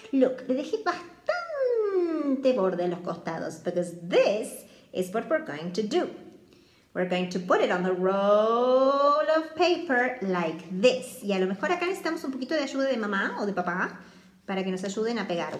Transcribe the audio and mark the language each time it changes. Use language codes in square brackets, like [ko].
[es] Look, le dejé bastante borde en los costados. [en] Because this is what we're going to do. We're going to put it on the roll of paper like this. [es] Y a lo mejor acá necesitamos un poquito de ayuda de mamá o de papá para que nos ayuden a pegar.